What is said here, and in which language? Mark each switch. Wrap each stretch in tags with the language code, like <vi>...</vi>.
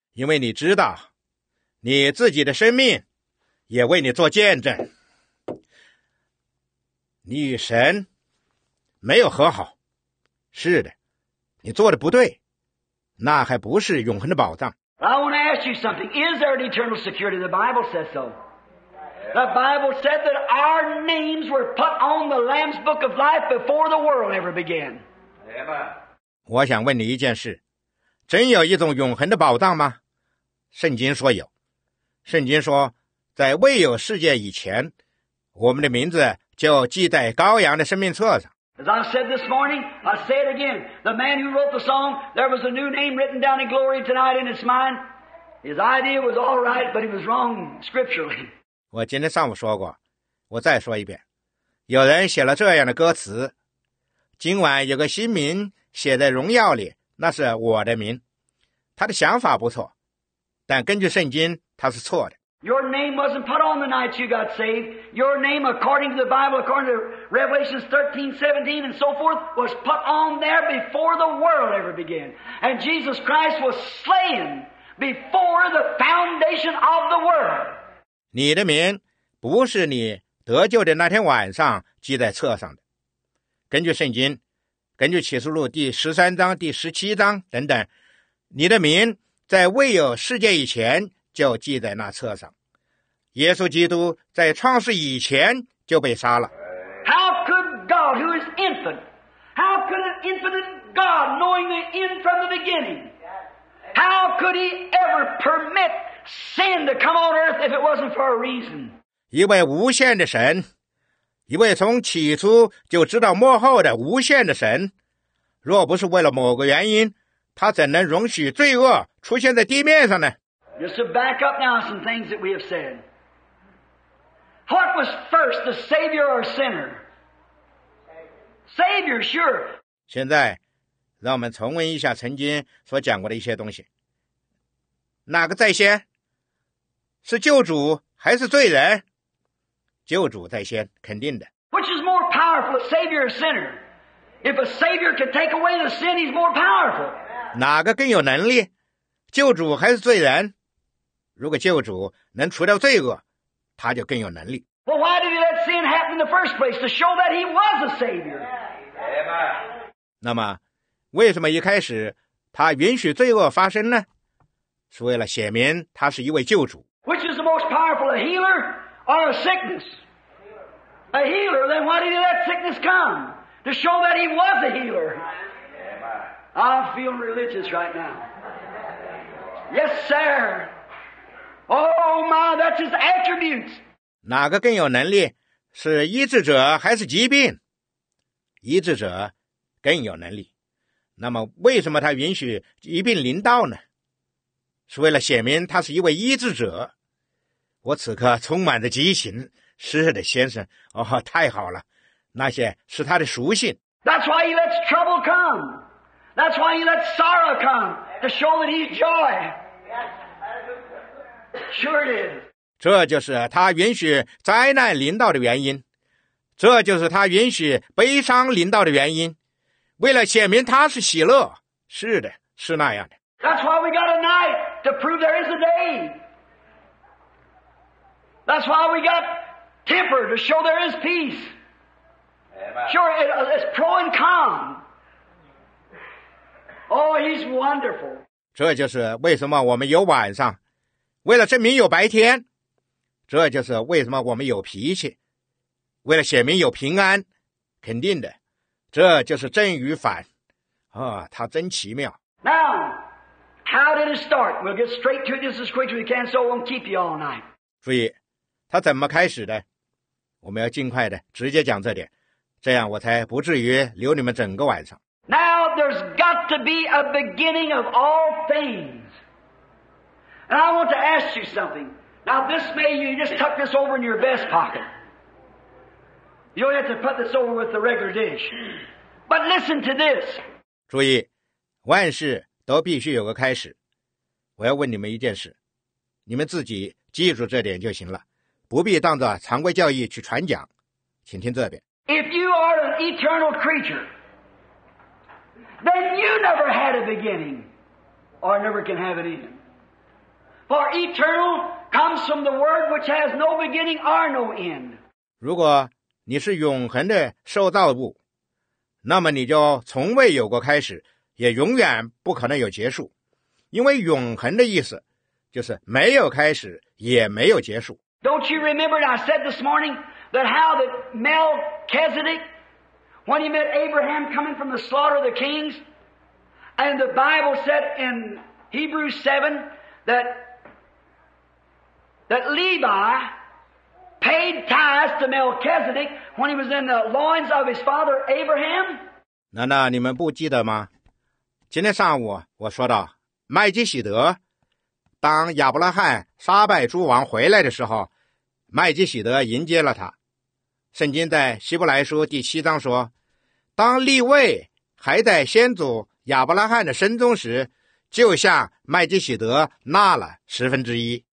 <zh>因为你知道，你自己的生命也为你做见证，你与神没有和好。是的，你做的不对，那还不是永恒的宝藏。</zh> <en>I want to ask you something. Is there an eternal security? The Bible says so. The Bible said that our names were put on the Lamb's Book of Life before the world ever began.</en> <zh>我想问你一件事，真有一种永恒的宝藏吗？圣经说有。圣经说，在未有世界以前，我们的名字就记在羔羊的生命册上。</zh> <en>As I said this morning, I say it again. The man who wrote the song, there was a new name written down in glory tonight in his mind. His idea was all right, but he was wrong scripturally.</en> <zh>我今天上午说过，我再说一遍。有人写了这样的歌词，今晚有个新名写在荣耀里，那是我的名。他的想法不错，但根据圣经他是错的。</zh> <en>Your name wasn't put on the night you got saved. Your name, according to the Bible, according to Revelations 13, 17, and so forth, was put on there before the world ever began. And Jesus Christ was slain before the foundation of the world.</en> <zh>你的名不是你得救的那天晚上记在册上的。根据圣经，根据启示录第十三章、第十七章等等，你的名在未有世界以前就记在那册上。耶稣基督在创世以前就被杀了。</zh> <en>How could God, who is infinite, how could an infinite God, knowing the end from the beginning, how could he ever permit sin to come on earth if it wasn't for a reason?</en> <zh>一位无限的神，一位从起初就知道幕后的无限的神，若不是为了某个原因，他怎能容许罪恶出现在地面上呢？</zh> <en>Just to back up now some things that we have said. What was first, the Savior or sinner? Savior, sure.</en> <zh>现在让我们重温一下曾经所讲过的一些东西。哪个在先？是救主还是罪人？救主在先，肯定的。</zh> <en>Which is more powerful, a Savior or sinner? If a Savior can take away the sin, he's more powerful.</en> <zh>哪个更有能力？救主还是罪人？如果救主能除掉罪恶，他就更有能力。</zh> <en>Well, why did that sin happen in the first place? To show that he was a savior. Amen.</en> <zh>那么，为什么一开始他允许罪恶发生呢？是为了显明他是一位救主。</zh> <en>Which is the most powerful, a healer or a sickness? A healer. Then why did that sickness come? To show that he was a healer. Amen. I feel religious right now. Yes, sir. Oh my, that's his attributes.</en> <zh>哪个更有能力？是医治者还是疾病？医治者更有能力。那么为什么他允许疾病临到呢？是为了显明他是一位医治者。我此刻充满着激情，是的，先生。哦，太好了，那些是他的属性。</zh> <en>That's why he lets trouble come. That's why he lets sorrow come. To show that he's joy. Sure it is.</en> <zh>这就是他允许灾难临到的原因，这就是他允许悲伤临到的原因，为了显明他是喜乐。是的，是那样的。</zh> <en>That's why we got a night to prove there is a day. That's why we got temper to show there is peace. Sure, it's pro and con. Oh, he's wonderful.</en> <zh>这就是为什么我们有晚上。为了证明有白天，这就是为什么我们有脾气，为了显明有平安，肯定的，这就是正与反，啊，它真奇妙。</zh> <en>Now, how did it start? We'll get straight to this as quick as we can, so it won't keep you all night.</en> <zh>注意，它怎么开始的？我们要尽快的直接讲这点，这样我才不至于留你们整个晚上。</zh> <en>Now, there's got to be a beginning of all things. And I want to ask you something. Now this may, you just tuck this over in your vest pocket. You don't have to put this over with the regular dish. But listen to this.</en> <zh>注意，万事都必须有个开始。我要问你们一件事，你们自己记住这点就行了，不必当着常规教义去传讲。请听这边。</zh> <en>If you are an eternal creature, then you never had a beginning, or never can have an end. For eternal comes from the word which has no beginning or no end.</en> <zh>如果你是永恒的受造物，那么你就从未有过开始，也永远不可能有结束。因为永恒的意思就是没有开始，也没有结束。</zh> <en>Don't you remember what I said this morning? That how that Melchizedek, when he met Abraham coming from the slaughter of the kings, And the Bible said in Hebrews 7 that Levi paid tithes to Melchizedek when he was in the loins of his father Abraham.</en> <zh>难道你们不记得吗？今天上午我说到麦基洗德，当亚伯拉罕杀败诸王回来的时候，麦基洗德迎接了他。圣经在希伯来书第七章说，当立位还在先祖亚伯拉罕的身中时，就向麦基洗德纳了十分之一。</zh>